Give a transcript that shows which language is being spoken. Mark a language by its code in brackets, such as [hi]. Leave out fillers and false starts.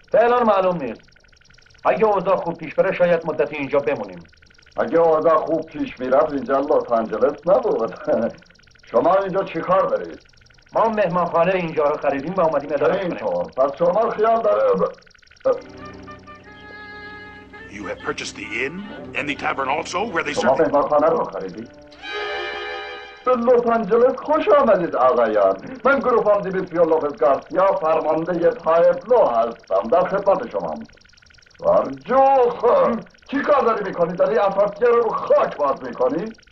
[fa] فعلا معلوم نیست. اگه اوضاع خوب پیش بره شاید مدتی اینجا بمونیم. اگه اوضاع خوب پیش میرفت اینجا لس آنجلس نبود. شما اینجا چیکار دارید؟ ما مهمانخانه اینجا رو خریدیم و اومدیم اداره کنیم. اینطور. پس شما خیال داره [en] You have purchased the inn and the tavern also where they serve. [fa] شما مهمانخانه رو خریدید. به لس آنجلس خوش آمدید آقایان. من گروفام دیبیسیو لوپز گارسیا فرمانده یه تایبلو هستم. در خدمت شما هم. فرجوخ. چی کار داری میکنی؟ داری اپارتمان رو خاک باز میکنی؟